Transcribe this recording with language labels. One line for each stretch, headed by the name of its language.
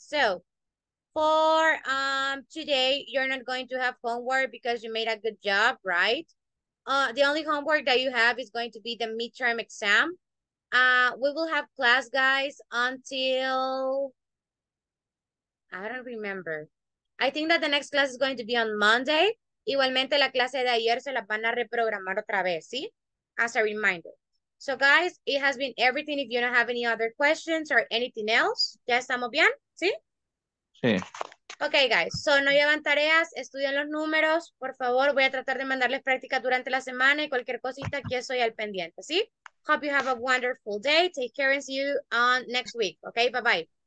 English: So, for today, you're not going to have homework because you made a good job, right? The only homework that you have is going to be the midterm exam. We will have class, guys, until... I don't remember. I think that the next class is going to be on Monday.
Spanish: Igualmente, la clase de ayer se la van a reprogramar otra vez, ¿sí?
English: As a reminder. So, guys, it has been everything. If you don't have any other questions or anything else,
Spanish: ¿ya estamos bien? ¿Sí? Sí.
English: Ok, guys. So,
Spanish: no llevan tareas. Estudian los números. Por favor, voy a tratar de mandarles práctica durante la semana y cualquier cosita, aquí estoy al pendiente, ¿sí?
English: Hope you have a wonderful day. Take care and see you on next week. Ok, bye-bye.